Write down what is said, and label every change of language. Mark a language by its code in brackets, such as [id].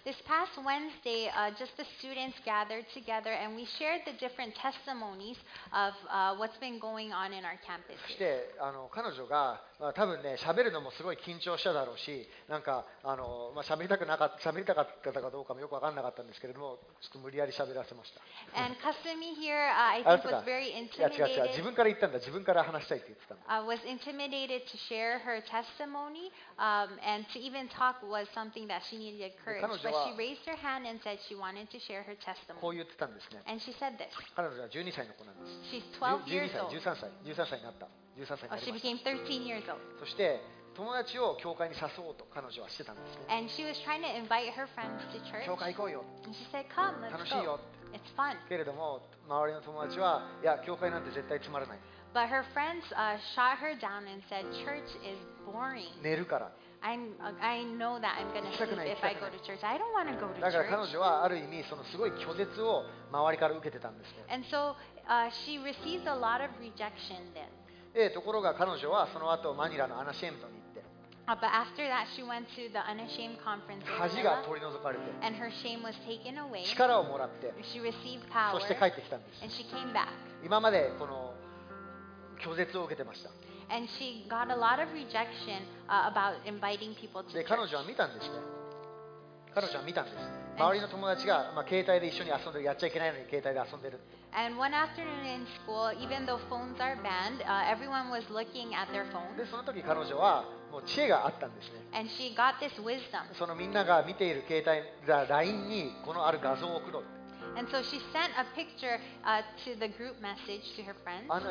[en] This past Wednesday, just the students gathered together and we shared the different testimonies of, what's been going on in our campus. [ja] そして彼女が、多分ね、喋るのもすごい緊張しただろうし、なんか喋りたかったかどうかもよく分かんなかったんですけれども、ちょっと無理やり喋らせました。 [en] And Kasumi here, I think was very intimidated. [ja] いや違う違う、自分から言ったんだ、自分から話したいって言ってたの。 [en] Was intimidated to share her testimony, and to even talk was something that she needed courage. [ja] 彼女は、 [en] but she raised her hand and said she wanted to share her testimony. [ja] こう言ってたんですね。 [en] And she said this. [ja] 彼女は12歳の子なんです。 [en] She's 12 years old. [ja] 13歳になった。 [en] She became 13 years old. [ja] そして友達を教会に誘おうと彼女はしてたんですね。 [en] And she was trying to invite her friends to church. [ja] 教会行こうよ。 [en] And she said, "Come, let's go." [ja] 楽しいよ。 [en] It's fun. [ja] けれども周りの友達は、いや教会なんて絶対つまらない。 [en] But her friends, shot her down and said, "Church is boring." [ja] 寝るから。 [en] I know that I'm going to sleep if I go to church. I don't want to go to church. [ja] だから彼女はある意味そのすごい拒絶を周りから受けてたんですね。 [en] And so, she received a lot of rejection then. [ja] ところが彼女はその後マニラのアナシェームトに行って、 [en] But after that she went to the Unashamed Conference. [ja] 恥が取り除かれて、 [en] And her shame was taken away. [ja] 力をもらって、 [en] She received power. [ja] そして帰ってきたんです。 [en] And she came back. [ja] 今までこの拒絶を受けてました。 [en] And she got a lot of rejection, about inviting people to [ja] church. で、彼女は見たんです。周りの友達が、携帯で一緒に遊んでる、やっちゃいけないのに携帯で遊んでる。 [en] And one afternoon in school, even though phones are banned, everyone was looking at their phones. [ja] で、その時彼女はもう知恵があったんですね。 [en] And she got this wisdom. [ja] そのみんなが見ている携帯、LINE にこのある画像を送ろう。 [en] And so she sent a picture to the group message to her friends.